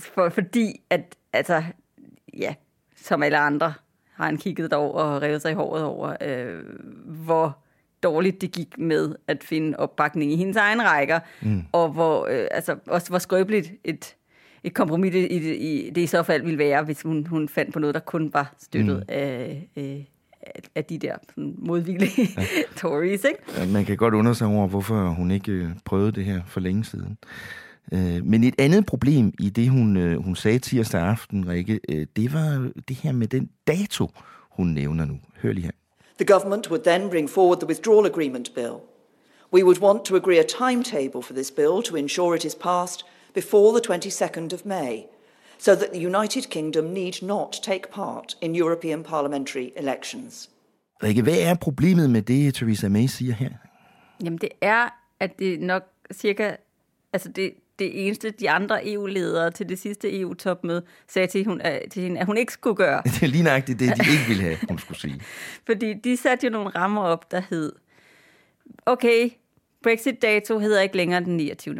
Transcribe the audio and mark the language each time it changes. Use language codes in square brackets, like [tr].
[da] fordi at, altså, ja, som alle andre, har han kigget derover og revet sig i håret over, hvor dårligt det gik med at finde opbakning i hendes egen rækker, og hvor, også hvor skrøbeligt et kompromis i det i så fald ville være, hvis hun fandt på noget, der kun var støttet af de der sådan modvillige, ja, Tories. Ikke? Man kan godt undre sig over, hvorfor hun ikke prøvede det her for længe siden. Men et andet problem i det, hun sagde tirsdag aften, Rikke, det var det her med den dato, hun nævner nu. Hør lige her. [en] The government would then bring forward the withdrawal agreement bill. We would want to agree a timetable for this bill to ensure it is passed before the 22nd of May, so that the United Kingdom need not take part in European parliamentary elections. [da] Rikke, hvad er problemet med det, Theresa May siger her? Jamen det er, at det nok cirka, altså det eneste, de andre EU-ledere til det sidste EU-topmøde sagde til hende, at hun ikke skulle gøre. Det er lige nøjagtigt det, de ikke ville have, hun skulle sige. Fordi de satte jo nogle rammer op, der hed, okay, Brexit-dato hedder ikke længere den 29.